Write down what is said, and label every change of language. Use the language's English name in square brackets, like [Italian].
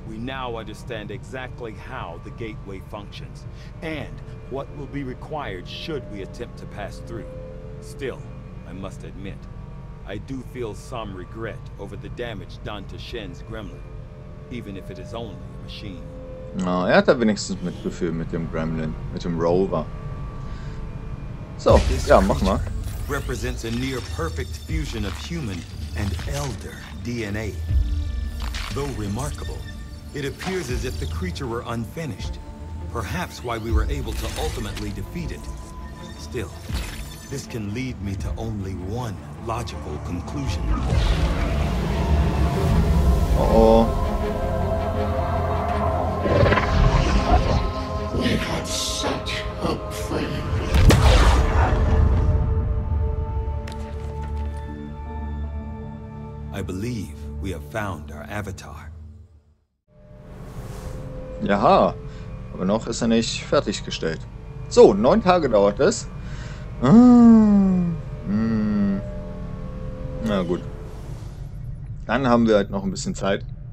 [English] We now understand exactly how the gateway functions and what will be required should we attempt to pass through. Still, I must admit, I do feel some regret over the damage done to Shen's gremlin, even if it is only a machine. [German] Na, er hat da wenigstens Mitgefühl mit dem Gremlin, mit dem Rover. So, ja, mach mal. [English] represents a near-perfect fusion of human and elder DNA. Though remarkable, it appears as if the creature were unfinished. Perhaps why we were able to ultimately defeat it. Still, this can lead me to only one logical conclusion. Oh. We had such hope for you. I believe we have found our avatar. [German] Jaha, aber noch ist er nicht fertiggestellt. So, 9 Tage dauert es. Na gut. Dann haben wir halt noch ein bisschen Zeit.